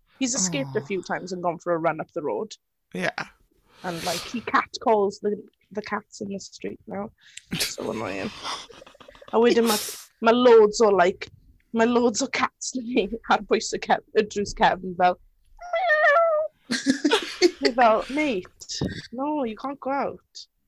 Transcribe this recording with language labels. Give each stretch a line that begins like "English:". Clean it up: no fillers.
English: He's escaped a few times and gone for a run up the road. Yeah. And, like, he catcalls the cats in the street now. So annoying.
Welsh: A wedyn mae loads o, like, mae loads o cats yn ei ar bwys o cef, y drws cefn fel meow.
English: Fel, mate, no, you can't go out.